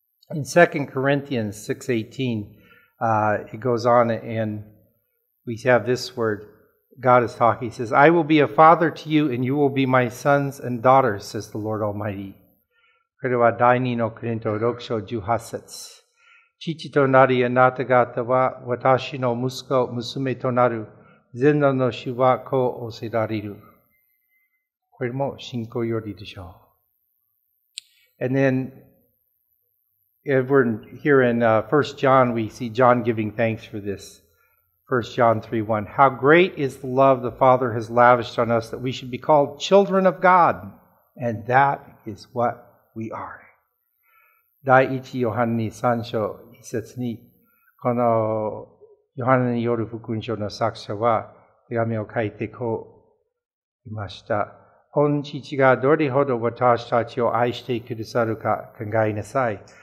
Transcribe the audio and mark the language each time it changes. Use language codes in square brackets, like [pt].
[en] In 2 Corinthians 6:18, it goes on and we have this word. God is talking. He says, I will be a father to you and you will be my sons and daughters, says the Lord Almighty. [ja] これは第2のコリント6章18節。父となりあなた方は私の息子、娘となる。全能の主は子を仰せられる。これも信仰よりでしょう。 [en] And then,If we're here in 1 John, we see John giving thanks for this. 1 John 3:1. How great is the love the Father has lavished on us that we should be called children of God. And that is what we are. [ja] 第一ヨハネ三章一節に、このヨハネによる福音書の作者は手紙を書いてこう言いました。御父がどれほど私たちを愛してくださるか考えなさい。